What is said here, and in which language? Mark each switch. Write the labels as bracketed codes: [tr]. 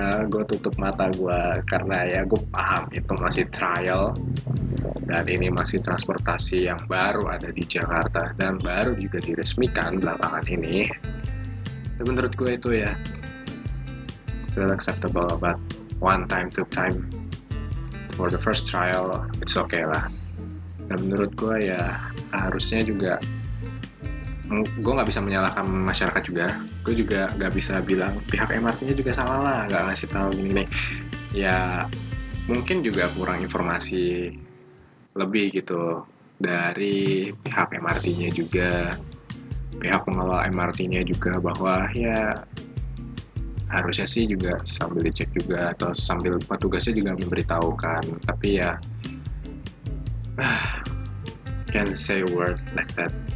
[id] Gue tutup mata gue karena ya gue paham itu masih trial dan ini masih transportasi yang baru ada di Jakarta dan baru juga diresmikan belakangan ini. Dan menurut gue itu ya [en] still acceptable, but one time, two time for the first trial, it's okay lah. [id] Dan menurut gue ya harusnya juga gue gak bisa menyalahkan masyarakat juga. Gue juga gak bisa bilang pihak MRT-nya juga salah lah, gak ngasih tahu gini-gini. Ya mungkin juga kurang informasi lebih gitu dari pihak MRT-nya juga, pihak pengelola MRT-nya juga, bahwa ya harusnya sih juga sambil dicek juga atau sambil petugasnya juga memberitahukan. Tapi ya [en] can't say word like that.